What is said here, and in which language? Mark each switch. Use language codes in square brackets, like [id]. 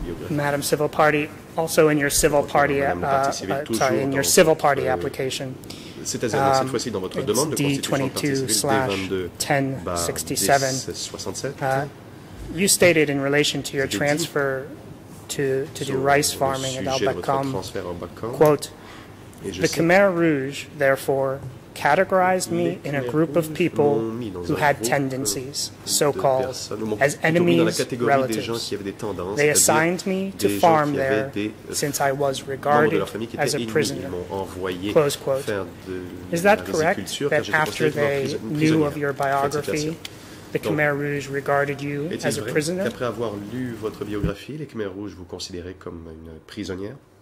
[en] Madam Civil Party, also in your civil party, in your civil party application, [fr] C'est-à-dire, cette fois-ci, dans votre demande, le constitution de [en] You stated in relation to your transfer to do rice farming at Al-Bakam, quote, the Khmer Rouge, therefore, categorized me in a group of people who had tendencies, so-called, as enemies, relatives. They assigned me to farm there since I was regarded as a prisoner, close quote. Is that correct, that after they knew of your biography, the Khmer Rouge regarded you as a prisoner? [fr] Après avoir lu votre biographie, les Khmer Rouge vous considéraient comme une prisonnière?